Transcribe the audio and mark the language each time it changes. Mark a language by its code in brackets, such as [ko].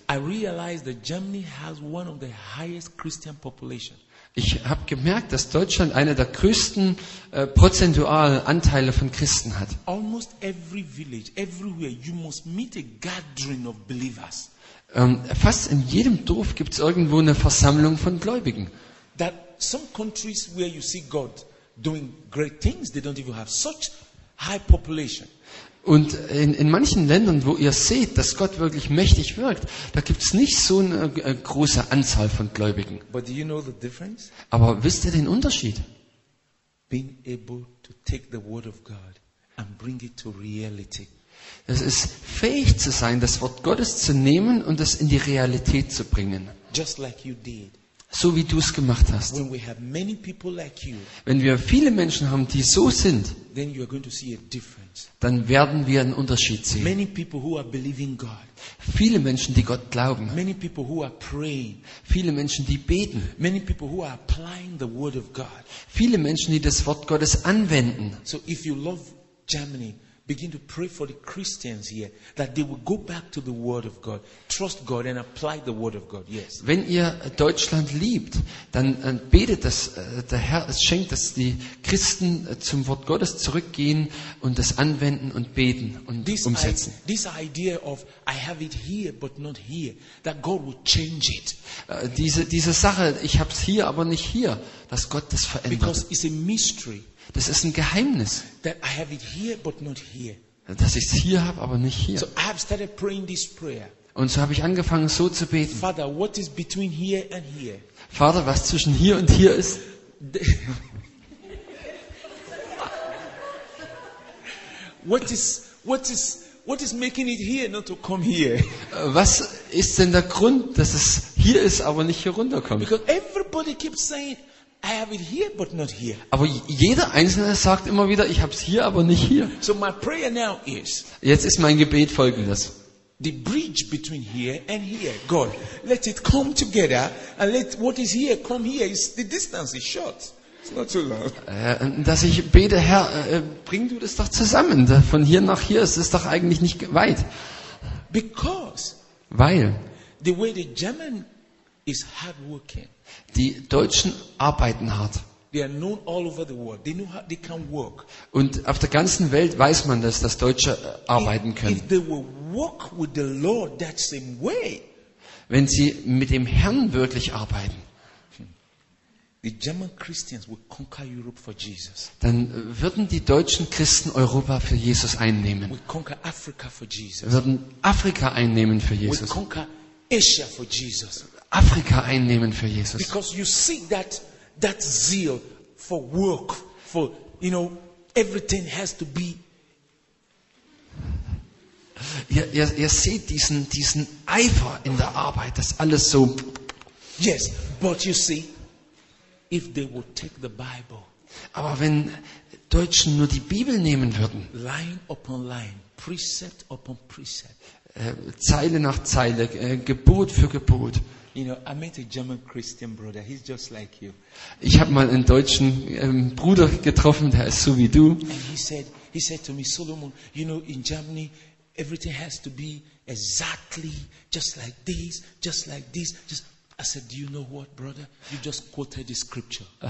[en] I realized that Germany has one of the highest Christian population. [de] Ich habe gemerkt, dass Deutschland eine der größten prozentualen Anteile von Christen hat. [en] Almost every village, everywhere, you must meet a gathering of believers. [de] Fast in jedem Dorf gibt es irgendwo eine Versammlung von Gläubigen. [en] That some countries where you see God doing great things, they don't even have such high population. [de] Und in manchen Ländern, wo ihr seht, dass Gott wirklich mächtig wirkt, da gibt's nicht so eine große Anzahl von Gläubigen. [en] But do you know the difference? [de] Aber wisst ihr den Unterschied? [en] Being able to take the word of God and bring it to reality. [de] Es ist fähig zu sein, das Wort Gottes zu nehmen und es in die Realität zu bringen. [en] Just like you did. [de] So wie du es gemacht hast. [en] When we have many people like you, [de] wenn wir viele Menschen haben, die so sind, [en] then you are going to see a difference. [de] Dann werden wir einen Unterschied sehen. [en] Many people who are believing God. [de] Viele Menschen, die Gott glauben. [en] Many people who are praying. [de] Viele Menschen, die beten. [en] Many people who are applying the word of God. [de] Viele Menschen, die das Wort Gottes anwenden. [en] So if you love Germany, begin to pray for the Christians here that they will go back to the word of God, trust God and apply the word of God. Yes. [de] Wenn ihr Deutschland liebt, dann betet, dass der Herr es schenkt, dass die Christen zum Wort Gottes zurückgehen und das anwenden und beten und [en] this [de] umsetzen. [en] This idea of I have it here but not here, that God will change it. [de] Diese Sache, ich habe es hier, aber nicht hier, dass Gott das verändert. [en] Because it's a mystery. [de] Das ist ein Geheimnis. [en] That I have it here, but not here. [de] Dass ich es hier habe, aber nicht hier. [en] So I have started praying this prayer. [de] Und so habe ich angefangen, so zu beten. [en] Father, what is between here and here? [de] Vater, was zwischen hier und hier ist? [en] What is making it here, not to come here? [de] Was ist denn der Grund, dass es hier ist, aber nicht hier runterkommt? [en] Because everybody keeps saying, I have it here, but not here. [de] Aber jeder Einzelne sagt immer wieder, ich habe es hier, aber nicht hier. [en] So my prayer now is, [de] jetzt ist mein Gebet folgendes. [en] the bridge between here and here. God, let it come together and let what is here come here. It's, the distance is short. It's not too long. [de] Dass ich bete, Herr, bring du das doch zusammen. Von hier nach hier, es ist doch eigentlich nicht weit. [en] Because [de] weil [en] the way the German is hard working. [de] Die Deutschen arbeiten hart. [en] They are known all over the world. They know how they can work. [de] Und auf der ganzen Welt weiß man, dass Deutsche arbeiten können. [en] If they will work with the Lord that same way. [de] Wenn sie mit dem Herrn wirklich arbeiten. [en] The German Christians will conquer Europe for Jesus. [de] Dann würden die deutschen Christen Europa für Jesus einnehmen. [en] We conquer Africa for Jesus. [de] Würden Afrika einnehmen für Jesus. [en] We conquer Asia for Jesus. [de] Afrika einnehmen für Jesus. [en] Because you see that zeal for work, for, you know, everything has to be. [de] Ihr seht diesen Eifer in der Arbeit, dass alles so. [en] Yes, but you see, if they would take the Bible. [de] Aber wenn Deutschen nur die Bibel nehmen würden. [en] Line upon line, precept upon precept. [de] Zeile nach Zeile, Gebot für Gebot. [en] You know, I met a German Christian brother. He's just like you. [de] Ich habe mal einen deutschen Bruder getroffen, der ist so wie du. [en] And he said to me, Solomon, you know, in Germany, everything has to be exactly just like this, just like this. Just, I said, do you know what, brother? You just quoted the scripture.